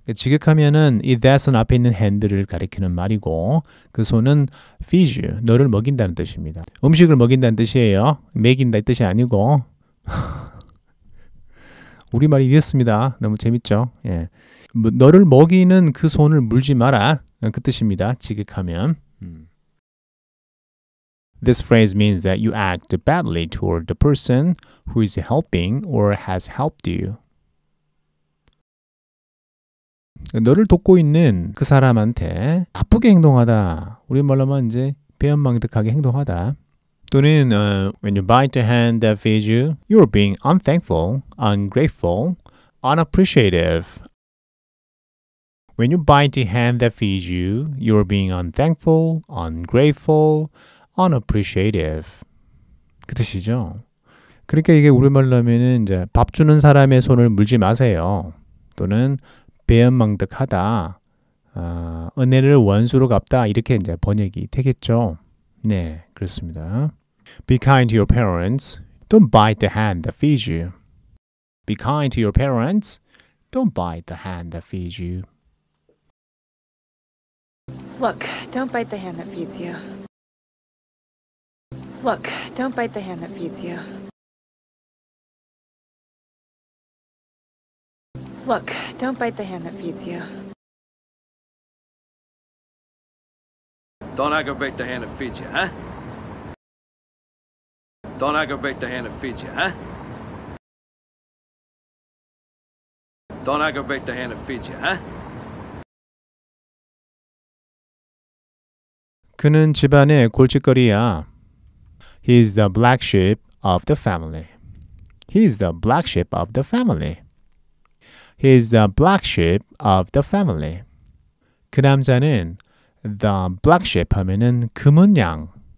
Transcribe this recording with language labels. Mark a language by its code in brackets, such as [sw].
[ko] 직역하면은 이 that은 앞에 있는 hand를 가리키는 말이고 그 손은 [en] feeds you. [ko] 너를 먹인다는 뜻입니다. 음식을 먹인다는 뜻이에요. 먹인다 뜻이 아니고 우리말이 이랬습니다. 너무 재밌죠. 예. 너를 먹이는 그 손을 물지 마라. 그 뜻입니다. 직역하면. [en] This phrase means that you act badly toward the person who is helping or has helped you. [ko] 너를 돕고 있는 그 사람한테 나쁘게 행동하다. 우리말로 하면 이제 배은망덕하게 행동하다. 또는 [en] when you bite the hand that feeds you, you're being unthankful, ungrateful, unappreciative. When you bite the hand that feeds you, you're being unthankful, ungrateful, unappreciative. [ko] 그 뜻이죠. 그러니까 이게 우리말로 하면은 이제 밥 주는 사람의 손을 물지 마세요. 또는 배은망덕하다. 은혜를 원수로 갚다. 이렇게 이제 번역이 되겠죠. 네, 그렇습니다. [en] Be kind to your parents. Don't bite the hand that feeds you. Be kind to your parents. Don't bite the hand that feeds you. Look, don't bite the hand that feeds you. Look, don't bite the hand that feeds you. Look, don't bite the hand that feeds you. Don't aggravate the hand that feeds you, huh? Don't aggravate the hand that feeds you, huh? Don't aggravate the hand that feeds you, huh? [ko] 그는 집안의 골칫거리야. [en] He's the black sheep of the family. He's the black sheep of the family. He's the black sheep of the family. [ko] 그 남자는 [en] the black sheep [ko] 하면은 검은 양.